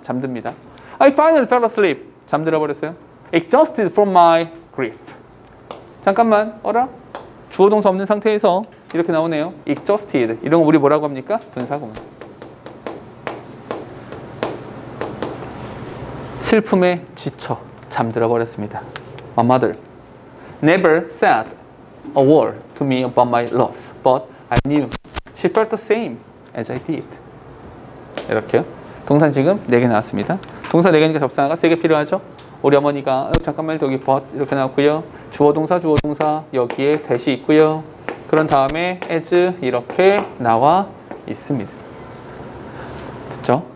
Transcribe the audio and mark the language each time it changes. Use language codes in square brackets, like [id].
[ko] 잠듭니다. [en] I finally fell asleep. [ko] 잠들어 버렸어요. [en] Exhausted from my grief. [ko] 잠깐만, 어라? 주어 동사 없는 상태에서 이렇게 나오네요. [en] Exhausted. [ko] 이런 거 우리 뭐라고 합니까? 분사구문. 슬픔에 지쳐 잠들어 버렸습니다. [en] My mother never said a word to me about my loss, but I knew she felt the same as I did. [ko] 이렇게요. 동사 지금 네 개 나왔습니다. 동사 네 개니까 접사가 세 개 필요하죠. 우리 어머니가 잠깐만 여기 but 이렇게 나왔고요. 주어 동사 여기에 대시 있고요. 그런 다음에 as 이렇게 나와 있습니다. 됐죠?